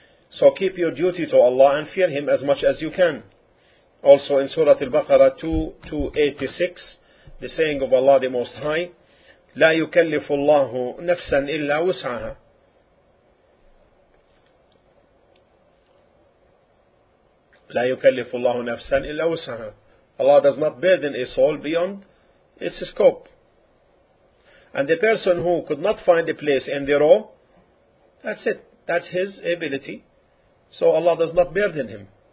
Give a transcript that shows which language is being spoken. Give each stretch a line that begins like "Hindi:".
English: So keep your duty to Allah and fear Him as much as you can. Also in Surah Al-Baqarah 2:286, the saying of Allah the Most High,
Arabic: لا يكلف الله نفسا إلا وسعها. لا يكلف الله نفسا إلا وسعها.
English: Allah does not burden a soul beyond its scope. And the person who could not find a place in the row, that's it. That's his ability. So Allah does not burden him.